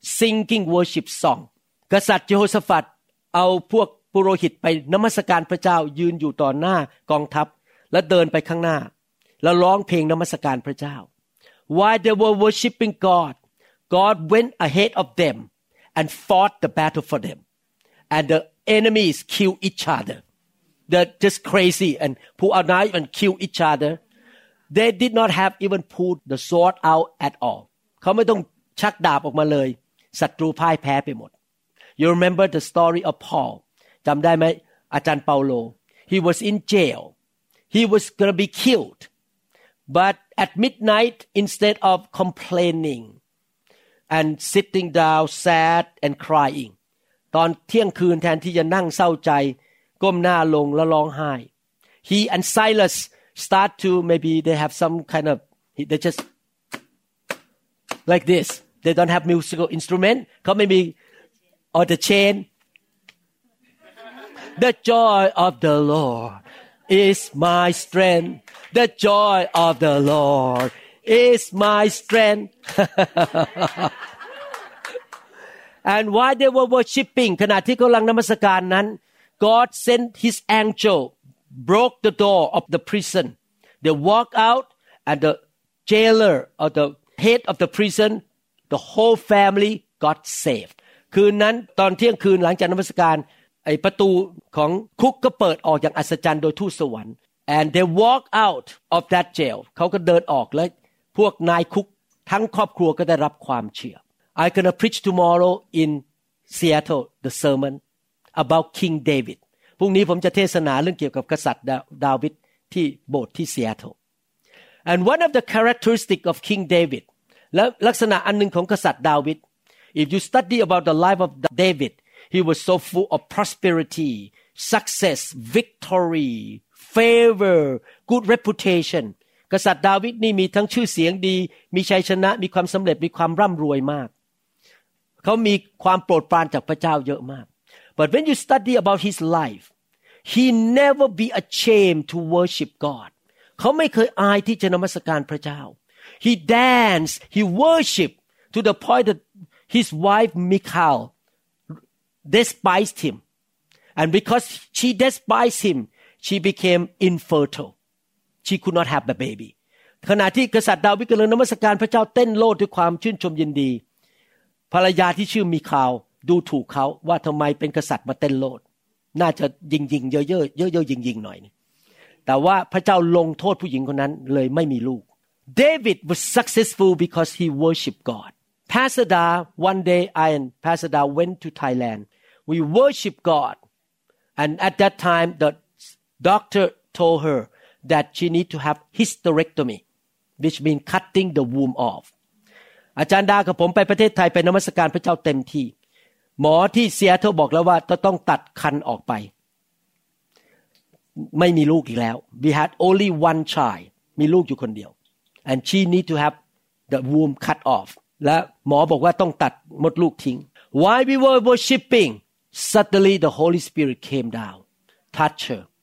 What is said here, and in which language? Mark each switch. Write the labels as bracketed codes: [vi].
[en] Singing worship song. [th] กษัตริย์เจโฮสฟัตเอาพวกปุโรหิตไปนมัสการพระเจ้ายืนอยู่ต่อหน้ากองทัพและเดินไปข้างหน้าและร้องเพลงนมัสการพระเจ้า [en] While they were worshiping God, God went ahead of them and fought the battle for them. And the enemies killed each other. They're just crazy and pull out knife and kill each other. They did not have even pulled the sword out at all. [th] เขาไม่ต้องชักดาบออกมาเลยศัตรูพ่ายแพ้ไปหมด [en] You remember the story of Paul [th] จำได้ไหมอาจารย์เปาโล [en] He was in jail He was gonna be killed But at midnight instead of complaining and sitting down sad and crying [th] ตอนเที่ยงคืนแทนที่จะนั่งเศร้าใจก้มหน้าลงและร้องไห้ [en] He and Silas start to maybe they have some kind of they justLike this, they don't have musical instrument. Come with me, or the chain. The joy of the Lord is my strength. The joy of the Lord is my strength. And while they were worshiping, [th] ขณะที่กำลังนมัสการนั้น, [en] God sent His angel, broke the door of the prison. They walk out, and the jailer or the head of the prison. The whole family got saved. [th] คืนนั้นตอนเที่ยงคืนหลังจากนมัสการไอ้ประตูของคุกก็เปิดออกอย่างอัศจรรย์โดยทูตสวรรค์ [en] And they walk out of that jail. [th] เขาก็เดินออกแล้วพวกนายคุกทั้งครอบครัวก็ได้รับความเชื่อ [en] I'm gonna preach tomorrow in Seattle the sermon about King David. [th] พรุ่งนี้ผมจะเทศนาเรื่องเกี่ยวกับกษัตริย์ดาวิดที่โบสถ์ที่ Seattle. [en] And one of the characteristics of King David. [th] และลักษณะอันนึงของกษัตริย์ดาวิด [en] If you study about the life of David he was so full of prosperity success victory favor good reputation [th] กษัตริย์ดาวิดนี่มีทั้งชื่อเสียงดีมีชัยชนะมีความสำเร็จมีความร่ำรวยมาก เขามีความโปรดปรานจากพระเจ้าเยอะมาก [en] But when you study about his life he never be ashamed to worship God [th] เขาไม่เคยอายที่จะนมัสการพระเจ้า [en] He danced, he worshiped to the point that his wife Michal despised him. And because she despised him, she became infertile. She could not have a baby. [th] ขณะที่กษัตริย์ดาวิดกำลังนมัสการพระเจ้าเต้นโลดด้วยความชื่นชมยินดีภรรยาที่ชื่อมิคาลดูถูกเขาว่าทำไมเป็นกษัตริย์มาเต้นโลดน่าจะยิงยิงเย่อเย่อเย่อยิงยิงหน่อยแต่ว่าพระเจ้าลงโทษผู้หญิงคนนั้นเลยไม่มีลูก [en] David was successful because he worshiped God. Pastor Da, one day I and Pastor Da went to Thailand. We worship God. And at that time, the doctor told her that she need to have hysterectomy, which means cutting the womb off. [th] อาจารย์ดากับผมไปประเทศไทยไปนมัสการพระเจ้าเต็มที่หมอที่เซียเธอบอกแล้วว่าต้องตัดคันออกไปไม่มีลูกอีกแล้ว [en] We had only one child. [th] มีลูกอยู่คนเดียว [en] And she need to have the womb cut off. [th] และหมอบอกว่าต้องตัดมดลูกทิ้ง [en] While we were worshiping, suddenly the Holy Spirit came down, touched her.